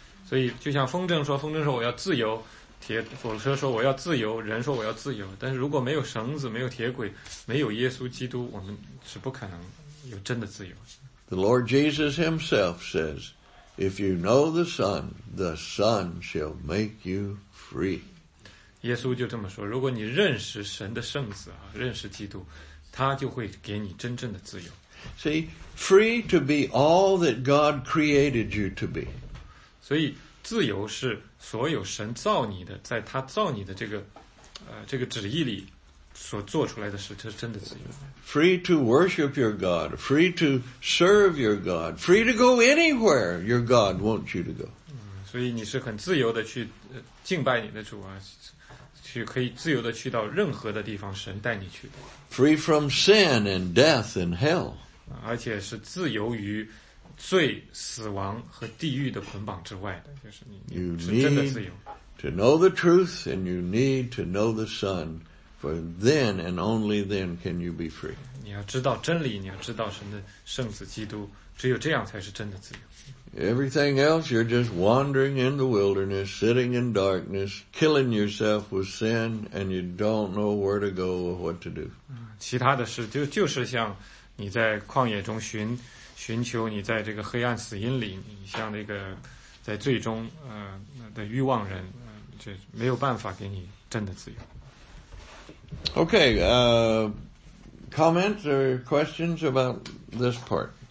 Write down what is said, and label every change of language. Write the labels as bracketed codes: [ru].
[zh] 所以，就像风筝说，我要自由。火车说我要自由，人说我要自由，但是如果没有绳子，没有铁轨，没有耶稣基督，我们是不可能有真的自由。 [en] The Lord Jesus himself says, if you know the Son shall make you free. [zh] 耶稣就这么说，如果你认识神的圣子，认识基督，他就会给你真正的自由。 [en] See, free to be all that God created you to be. [zh] 所以自由是所有神造你的，在他造你的这个旨意里所做出来的事，这是真的自由。 [en] Free to worship your God, free to serve your God, free to go anywhere your God wants you to go. [zh] 所以你是很自由的去敬拜你的主啊，去可以自由的去到任何的地方神带你去的。 [en] Free from sin and death and hell. [zh] 而且是自由于罪、死亡和地狱的捆绑之外的，就是你是真的自由。 [en] You need to know the truth and you need to know the Son, for then and only then can you be free. [zh] 你要知道真理，你要知道神的圣子基督，只有这样才是真的自由。 [en] Everything else, you're just wandering in the wilderness, sitting in darkness, killing yourself with sin, and you don't know where to go or what to do. [zh] 其他的事就是像你在旷野中寻求你在这个黑暗死因里，你像那个在最终的欲望人，这没有办法给你真的自由。 [en] Okay, comments or questions about this part?